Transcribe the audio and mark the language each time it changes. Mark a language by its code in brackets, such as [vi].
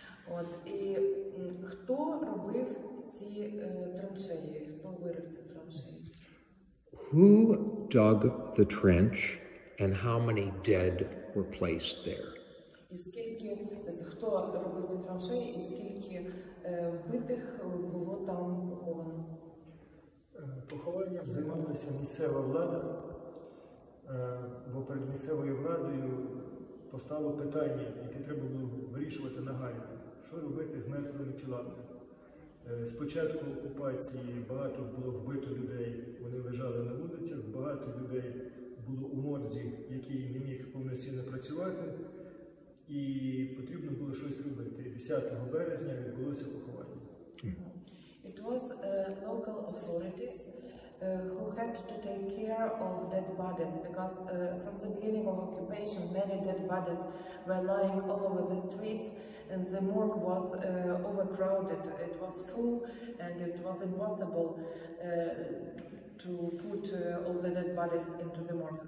[uk] От, і хто робив ці траншеї? Хто вирив ці траншеї? [en] Who dug the trench and how many dead were placed there? [uk] І скільки, тобто, хто робив ці траншеї і скільки вбитих було там поховано? Поховання займалася місцева влада, бо перед місцевою владою постало питання, яке треба було вирішувати нагально. Що робити з мертвими тілами? Спочатку окупації багато було вбито людей, вони лежали на вулицях, багато людей було у морзі, які не міг повноцінно працювати, і потрібно було щось робити. 10 березня відбулося поховання. [en] It was local authorities who had to take care of dead bodies, because from the beginning of occupation many dead bodies were lying all over the streets, and the morgue was overcrowded. It was full and it was impossible to put all the dead bodies into the morgue.